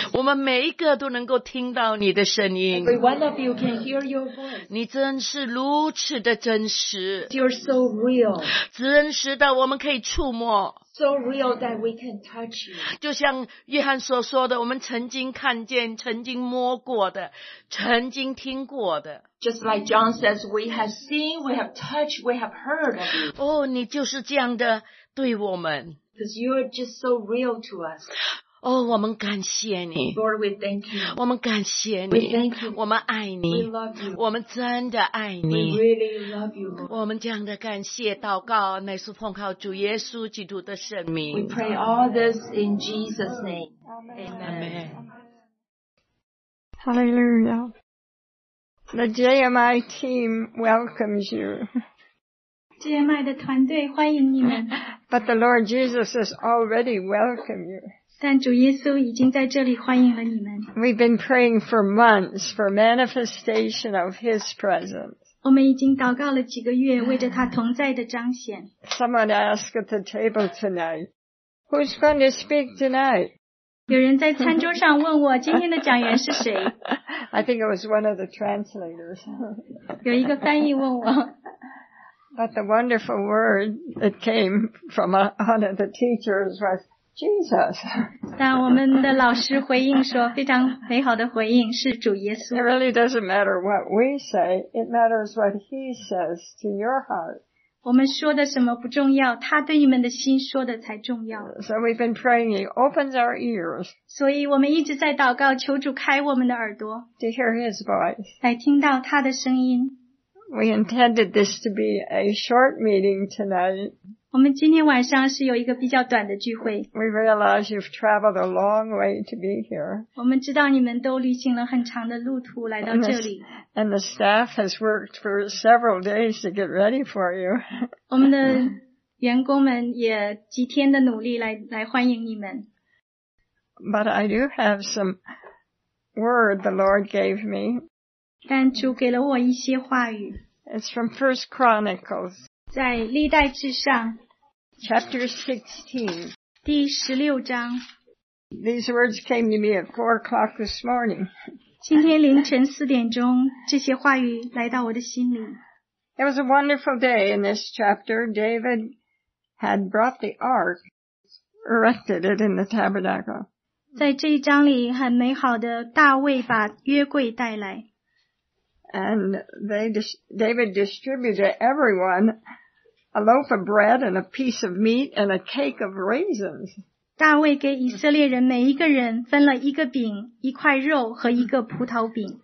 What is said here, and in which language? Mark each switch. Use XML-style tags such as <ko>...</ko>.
<zh>我们每一个都能够听到你的声音。</zh> <en>Every one of you can hear your voice.</en> <zh>你真是如此的真实。</zh> <en>You're so real.</en> <zh>真实到我们可以触摸。</zh> <en>So real that we can touch you.</en> <zh>就像约翰所说的，我们曾经看见，曾经摸过的，曾经听过的。</zh> <en>Just like John says, we have seen, we have touched, we have heard of you.</en> <zh>哦，你就是这样的对我们。</zh> <en>Because you are just so real to us.</en> <zh>Oh, 我们感谢你。</zh> <en>Lord, we thank you.</en> <zh>我们感谢你。</zh> <en>We thank you.</en> <zh>我们爱你。</zh> <en>We love you.</en> <zh>我们真的爱你。</zh> <en>We really love you, Lord.</en> <zh>我们这样的感谢祷告，乃是奉靠主耶稣基督的圣名。</zh> <en>We pray all this in Jesus' name. Amen. Amen. Hallelujah. The JMI team welcomes you.</en> <zh>JMI 的团队欢迎你们。</zh> <en>But the Lord Jesus has already welcomed you.</en> <zh>但主耶稣已经在这里欢迎了你们。</zh> <en>We've been praying for months for manifestation of His presence.</en> <zh>我们已经祷告了几个月，为着他同在的彰显。</zh> <en>Someone asked at the table tonight, "Who's going to speak tonight?"</en> <zh>有人在餐桌上问我，今天的讲员是谁</zh> <en>？I think it was one of the translators.</en> <zh>有一个翻译问我。</zh> <en>But the wonderful word that came from one of the teachers was Jesus.</en> <zh>但我们的老师回应说，非常美好的回应是主耶稣。</zh> <en>It really doesn't matter what we say; it matters what He says to your heart.</en> <zh>我们说的什么不重要，他对你们的心说的才重要。</zh> <en>So we've been praying; He opens our ears.</en> <zh>所以我们一直在祷告，求主开我们的耳朵。</zh> <en>To hear His voice.</en> <zh>来听到他的声音。</zh> <en>We intended this to be a short meeting tonight.</en> <zh>我们今天晚上是有一个比较短的聚会。</zh> <en>We realize you've traveled a long way to be here.</en> <zh>我们知道你们都旅行了很长的路途来到这里。</zh> <en>And the staff has worked for several days to get ready for you.</en> <zh>我们的员工们也几天的努力来欢迎你们。</zh> <en>But I do have some word the Lord gave me.</en> <zh>但主给了我一些话语。</zh> <en>It's from 1 Chronicles.</en> <zh>在历代志上。</zh> <en>Chapter 16.</en> <zh>第十六章。</zh> <en>These words came to me at 4 o'clock this morning.</en> <zh>今天凌晨四点钟，这些话语来到我的心里。</zh> <en>It was a wonderful day in this chapter. David had brought the ark, erected it in the tabernacle.</en> <zh>在这一章里，很美好的，大卫把约柜带来。</zh> <en>And David distributed to everyone a loaf of bread and a piece of meat and a cake of raisins.</en> <zh>大卫给以色列人每一个人分了一个饼、一块肉和一个葡萄饼。</zh>